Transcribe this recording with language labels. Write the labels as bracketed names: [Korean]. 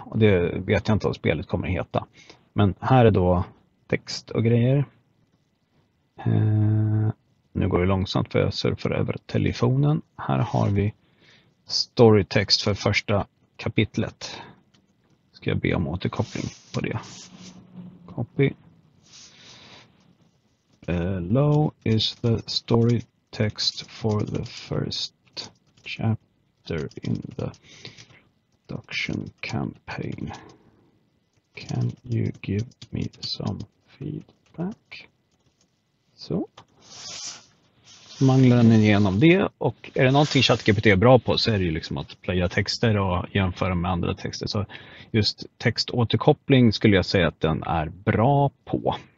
[Swedish] Och det vet jag inte vad spelet kommer att heta. Men här är då text och grejer. Nu går det långsamt för jag surfar över telefonen. Här har vi storytext för första kapitlet. Ska jag be om återkoppling på det. [English] Copy. Below is the story text for the first chapter in the production campaign. Can you give me some feedback? [Swedish] Så. Manglar den igenom det och är det någonting ChatGPT är bra på så är det ju liksom att playa texter och jämföra med andra texter. Så just textåterkoppling skulle jag säga att den är bra på.